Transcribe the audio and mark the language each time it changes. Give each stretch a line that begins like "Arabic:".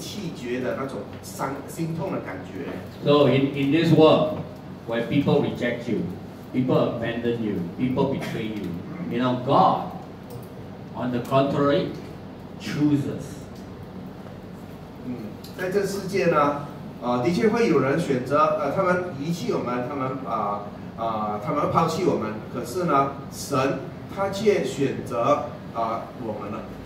Chinese: 那位朋友他被弃绝的那种心痛的感觉。
English: So in this world, where people reject you, people abandon you, people betray you, you know, God, on the contrary, chooses.
Chinese: 在这世界呢，的确会有人选择，他们遗弃我们，他们抛弃我们。可是呢，神他却选择我们了。